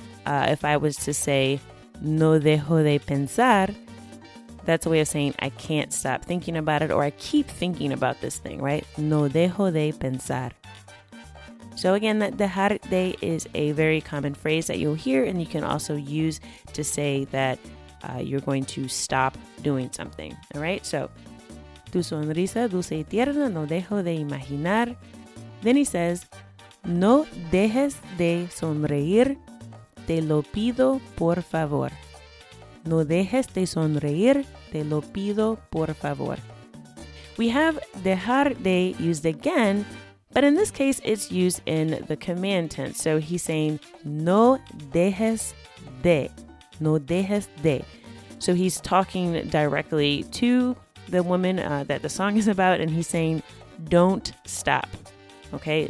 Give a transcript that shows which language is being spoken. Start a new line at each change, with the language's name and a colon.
English: If I was to say
Spanish: no dejo de pensar,
English: that's a way of saying I can't stop thinking about it or I keep thinking about this thing, right?
Spanish: No dejo de pensar.
English: So again, that dejar de is a very common phrase that you'll hear and you can also use to say that you're going to stop doing something, all right?
Spanish: So, tu sonrisa dulce y tierna no dejo de imaginar.
English: Then he says,
Spanish: no dejes de sonreír, te lo pido por favor. No dejes de sonreír, te lo pido por favor.
English: We have dejar de used again, but in this case, it's used in the command tense. So he's saying,
Spanish: no dejes de, no dejes de.
English: So he's talking directly to the woman that the song is about, and he's saying, don't stop, okay?